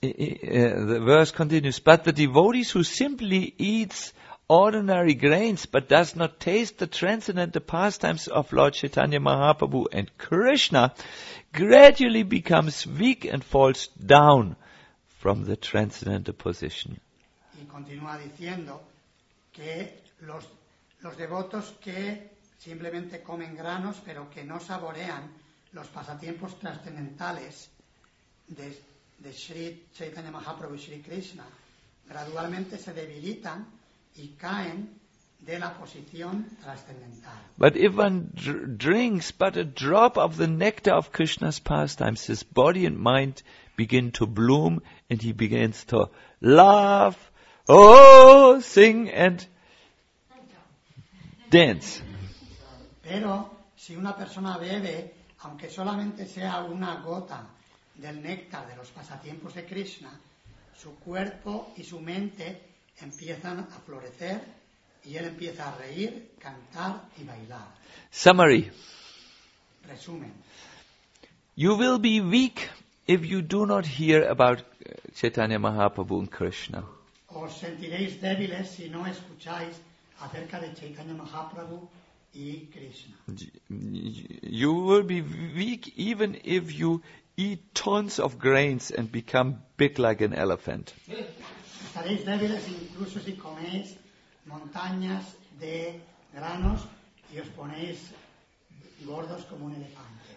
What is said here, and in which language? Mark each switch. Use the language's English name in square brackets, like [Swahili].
[English] The verse continues, but the devotees who simply eats ordinary grains, but does not taste the transcendental pastimes of Lord Chaitanya Mahaprabhu and Krishna, gradually becomes weak and falls down from the transcendental position. [Spanish] Y continúa diciendo que los devotos que simplemente comen granos, pero que no saborean los pasatiempos trascendentales de Sri Chaitanya Mahaprabhu y Sri Krishna, gradualmente se debilitan y caen de la posición trascendental. [English] But if one drinks but a drop of the nectar of Krishna's pastimes, his body and mind begin to bloom and he begins to laugh, sing and dance. [Spanish] Pero si una persona bebe, aunque solamente sea una gota del néctar de los pasatiempos de Krishna, su cuerpo y su mente empiezan a florecer y él empieza a reír, cantar y bailar. [English] Summary. [Spanish] Resumen. [English] You will be weak if you do not hear about Chaitanya Mahaprabhu and Krishna. [Spanish] Os sentiréis débiles si no escucháis acerca de Chaitanya Mahaprabhu y Krishna. [English] You will be weak even if you eat tons of grains and become big like an elephant. [Spanish] Estaréis débiles incluso si coméis montañas de granos y os ponéis gordos como un elefante.